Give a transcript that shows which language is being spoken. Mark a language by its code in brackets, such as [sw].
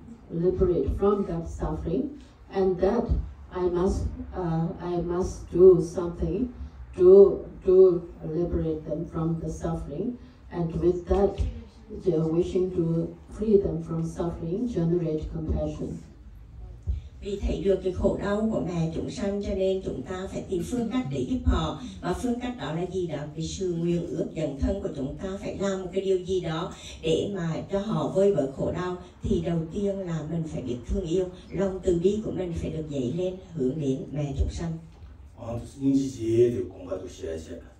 [en] liberate from that suffering, and that I must do something to liberate them from the suffering, and with that the wishing to free them from suffering generate compassion. [vi] Vì thấy được cái khổ đau của mẹ chúng sanh cho nên chúng ta phải tìm phương cách để giúp họ. Và phương cách đó là gì đó? Cái sự nguyện ước dẫn thân của chúng ta phải làm một cái điều gì đó để mà cho họ vơi bớt khổ đau. Thì đầu tiên là mình phải biết thương yêu. Lòng từ bi của mình phải được dậy lên hướng đến mẹ chúng sanh. [en] So just meditate on the two aspects of